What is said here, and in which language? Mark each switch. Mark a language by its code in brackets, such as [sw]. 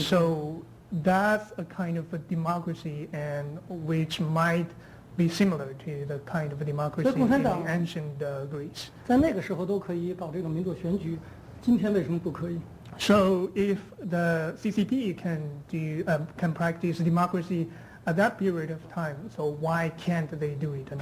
[en] So that's a kind of a democracy, and which might be similar to the kind of a democracy in ancient Greece. [zh] 在那个时候都可以搞这个民主选举，今天为什么不可以？ [en] So if the CCP can practice democracy at that period of time, so why can't they do it now?